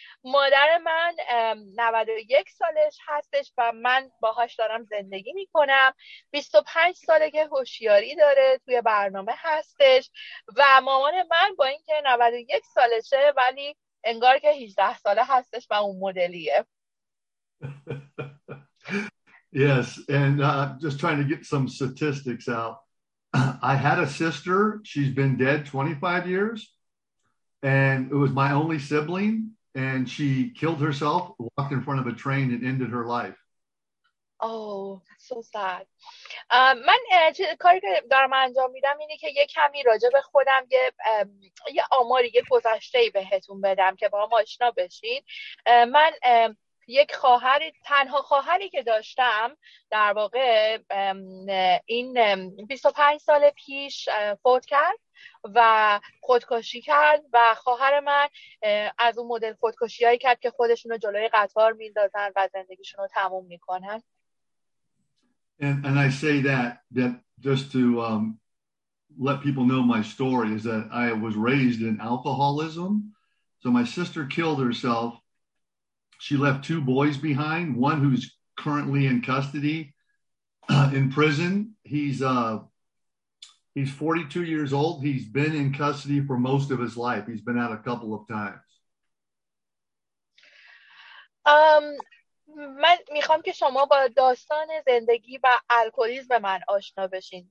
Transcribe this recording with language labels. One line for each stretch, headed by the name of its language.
Persian: مادر من 91 سالش هستش و من باهاش دارم زندگی میکنم. 25 ساله که هوشیاری داره، توی برنامه هستش و مامان من با اینکه 91 سالشه ولی انگار که 18 ساله هستش و اون مدلیه.
English: Yes, and just trying to get some statistics out. I had a sister, she's been dead 25 years, and it was my only sibling, and she killed herself, walked in front of a train, and ended her life. Oh, so sad.
Persian: من کاری که دارم انجام میدم اینه که یه کمی راجع به خودم یه آماری، یه گذشته‌ای بهتون بدم که با هم آشنا بشین. من یک خواهر، تنها خواهری که داشتم در واقع این 25 سال پیش فوت کرد و خودکشی کرد و خواهر من از اون مدل خودکشی هایی کرد که خودشون رو جلوی قطار میندازن و زندگیشون رو تموم میکنن.
English: And I say that just to let people know my story is that I was raised in alcoholism. So my sister killed herself. She left two boys behind, one who's currently in custody in prison. He's 42 years old. He's been in custody for most of his life. He's been out a couple of times.
Persian: من میخوام که شما با داستان زندگی و الکلیسم من آشنا بشین.